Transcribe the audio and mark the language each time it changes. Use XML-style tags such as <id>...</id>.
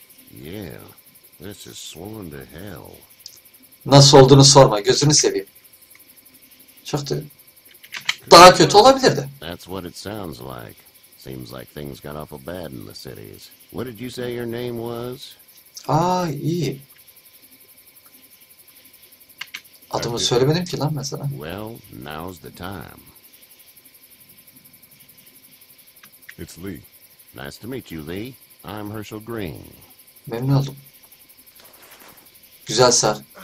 <en>Yeah, this is swollen to hell.</en> <tr>Nasıl olduğunu sorma, gözünü seveyim. Çok da daha kötü olabilirdi.</tr> <en>That's what it sounds like. Seems like things got awful bad in the cities. What did you say your name was?</en> <tr>Aa, iyi. Adımı söylemedim ki lan mesela.</tr> <en>Well, now's the time. It's Lee. Nice to meet you, Lee. I'm Herschel Green.</en> <tr>Memnun oldum. Güzel sar.</tr>